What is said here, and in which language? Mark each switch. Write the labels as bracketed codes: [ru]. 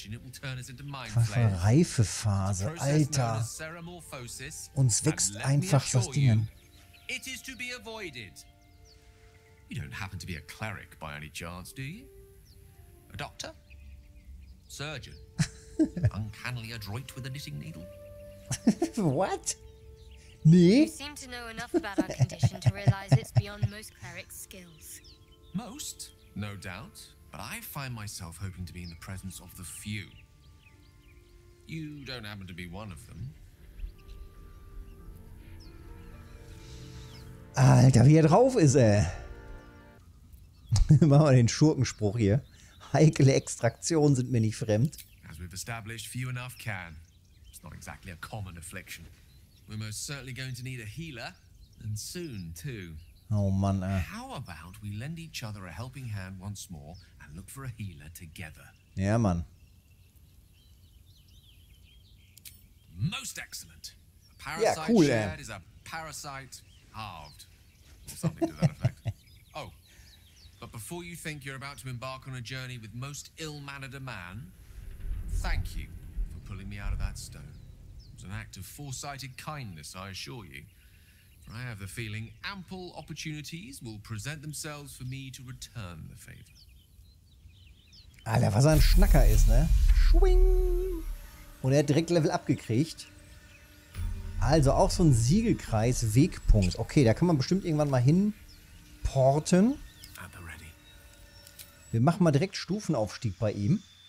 [de] Reifephase, Alter. Uns wächst einfach das Ding. [en] It is to be avoided. You don't happen to be a cleric by any chance, do you? A doctor? Surgeon? Uncannily adroit with a knitting needle? What? Me? You seem to know enough about our condition to realize it's beyond most cleric skills. Most, no doubt, but I find myself hoping to be in the presence of the few. You don't happen to be one of them. [de] Alter, wie er drauf ist, ey. Machen wir den Schurkenspruch hier. Heikle Extraktionen sind mir nicht fremd. [en] As we've established, few enough can. It's not exactly a common affliction. We're most certainly going to need a healer, and soon too. Oh man, how about we lend each other a helping hand once more and look for a healer together? Yeah, man. Most excellent. A parasite yeah, cool, shared yeah. is a parasite halved. Or something to that effect. Oh, but before you think you're about to embark on a journey with most ill-mannered a man, thank you for pulling me out of that stone. It was an act of foresighted kindness, I assure you. For I have the feeling ample opportunities will present themselves for me to return the favor. [de] Alter, was ein Schnacker ist, ne? Schwing! Und er hat direkt Level abgekriegt. Also auch so ein Siegelkreis, Wegpunkt. Okay, da kann man bestimmt irgendwann mal hin porten. Wir machen mal direkt Stufenaufstieg bei ihm.